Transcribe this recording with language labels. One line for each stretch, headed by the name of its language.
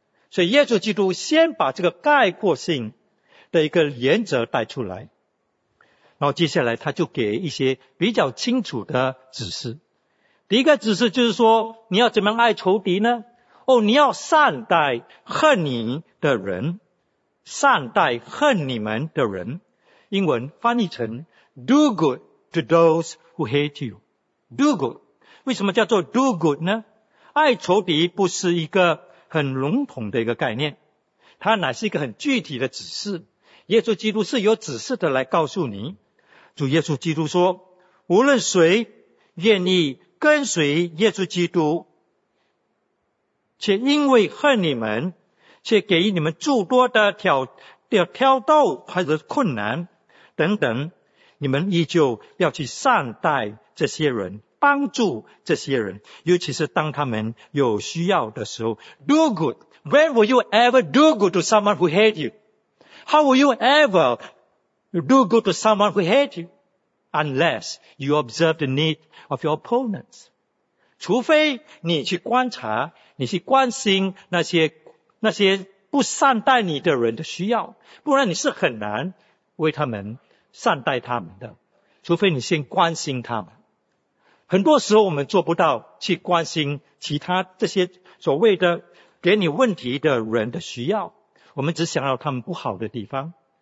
Chinese: 所以耶稣基督先把这个概括性的一个原则带出来，然后接下来他就给一些比较清楚的指示。第一个指示就是说，你要怎么样爱仇敌呢？哦，你要善待恨你的人，善待恨你们的人。英文翻译成
English: Do good to those who hate you. Do good.
Chinese: 为什么叫做 do good 呢？爱仇敌不是一个很笼统的一个概念，它乃是一个很具体的指示。耶稣基督是有指示的来告诉你。主耶稣基督说，无论谁愿意跟随耶稣基督，且因为恨你们，却给予你们诸多的挑逗或者困难等等，你们依旧要去善待这些人，帮助这些人，尤其是当他们有需要的时候。
English: Do good. When will you ever do good to someone who hate you? How will you ever do good to someone who hate you? Unless you observe the need of your opponents.
Chinese: 除非你去观察，你去关心那些不善待你的人的需要，不然你是很难为他们善待他们的，除非你先关心他们。很多时候我们做不到去关心其他这些所谓的给你问题的人的需要，我们只想要他们不好的地方。